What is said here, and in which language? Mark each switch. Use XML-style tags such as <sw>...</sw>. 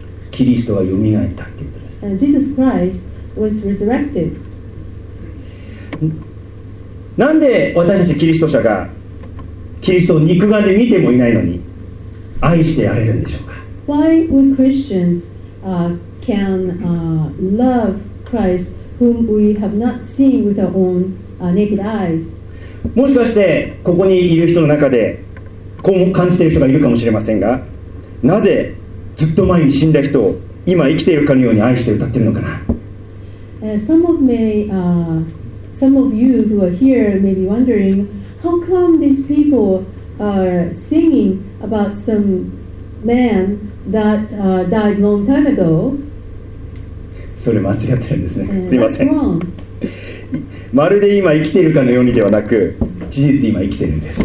<ja>キリストはよみがえったということです。</ja> <en>Jesus Christ was resurrected.</en> <ja>なんで私たちキリスト者がキリストを肉眼で見てもいないのに愛してやれるんでしょうか。</ja> <en>Why we Christians can love Christ whom we have not seen with our own naked eyes?</en> <ja>もしかしてここにいる人の中でこう感じている人がいるかもしれませんが、なぜずっと前に死んだ人を今生きているかのように愛して歌っているのかな。</ja> <en>Some of may Some of you who are here may be wondering, how come these people are singing about some man that died a long time ago?</en> <ja>それ間違ってるんですね。すいません。</ja> <en>That's wrong.</en> <ja>まるで今生きているかのようにではなく、事実今生きてるんです。</ja>